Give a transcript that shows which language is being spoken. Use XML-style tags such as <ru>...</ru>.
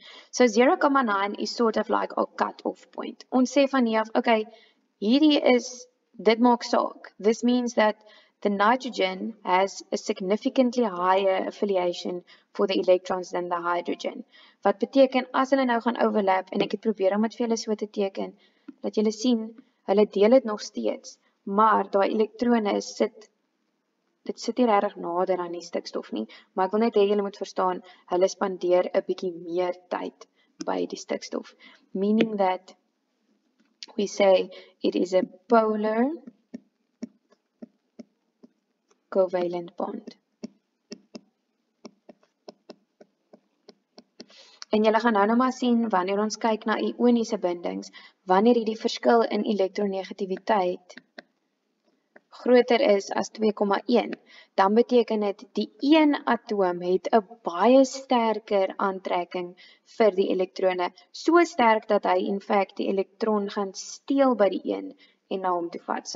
<en>So 0,9 is sort of like a cut-off point.</en> <af>Ons sê van hier af, okay, hierdie is, dit maak saak.</af> <en>This means that the nitrogen has a significantly higher affiliation for the electrons than the hydrogen.</en> <af>Wat beteken, as hulle nou gaan overlap, en ek het probeer om het vir hulle so te teken, dat julle sien, hulle deel het nog steeds, maar daai elektrone sit, dit sit hier erg nader aan die stikstof nie, maar ek wil net hê julle moet verstaan, hulle spandeer 'n bietjie meer tyd by die stikstof.</af> <en>Meaning that we say it is a polar covalent bond.</en> <af>En julle gaan nou maar sien, wanneer ons kyk na ioniese bindings, wanneer hierdie verskil in elektronegativiteit groter is as 2,1, dan beteken dit die een atoom het 'n baie sterker aantrekking vir die elektrone, so sterk dat hy in feite die elektron gaan steel by die een en na hom toe vat.</af>